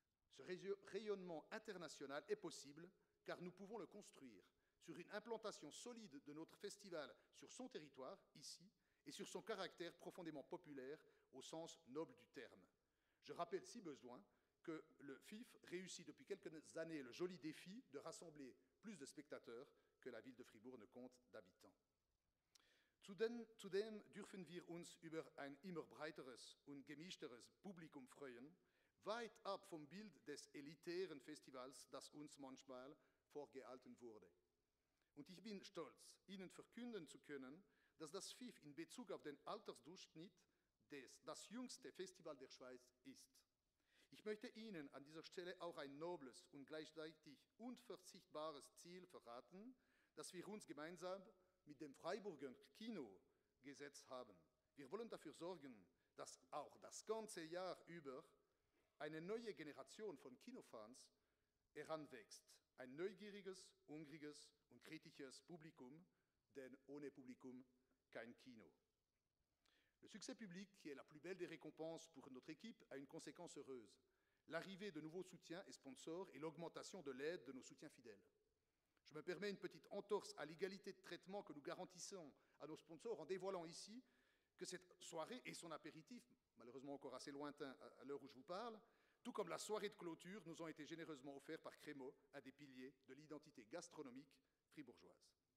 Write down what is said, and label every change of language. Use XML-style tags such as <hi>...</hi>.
<fr>Ce rayonnement international est possible car nous pouvons le construire sur une implantation solide de notre festival sur son territoire, ici, et sur son caractère profondément populaire au sens noble du terme. Je rappelle si besoin que le FIF réussit depuis quelques années le joli défi de rassembler plus de spectateurs que la ville de Fribourg ne compte d'habitants.</fr> <de>Zudem dürfen wir uns über ein immer breiteres und gemischteres Publikum freuen, weit ab vom Bild des elitären Festivals, das uns manchmal vorgehalten wurde. Und ich bin stolz, Ihnen verkünden zu können, dass das FIF in Bezug auf den Altersdurchschnitt das jüngste Festival der Schweiz ist. Ich möchte Ihnen an dieser Stelle auch ein nobles und gleichzeitig unverzichtbares Ziel verraten, das wir uns gemeinsam mit dem Freiburger Kino gesetzt haben. Wir wollen dafür sorgen, dass auch das ganze Jahr über eine neue Generation von Kinofans heranwächst. Ein neugieriges, hungriges und kritisches Publikum, denn ohne Publikum kein Kino.</de> <fr>Le succès public, qui est la plus belle des récompenses pour notre équipe, a une conséquence heureuse. L'arrivée de nouveaux soutiens et sponsors et l'augmentation de l'aide de nos soutiens fidèles. Je me permets une petite entorse à l'égalité de traitement que nous garantissons à nos sponsors en dévoilant ici que cette soirée et son apéritif, malheureusement encore assez lointain à l'heure où je vous parle, tout comme la soirée de clôture, nous ont été généreusement offerts par Crémo, un des piliers de l'identité gastronomique fribourgeoise.</fr>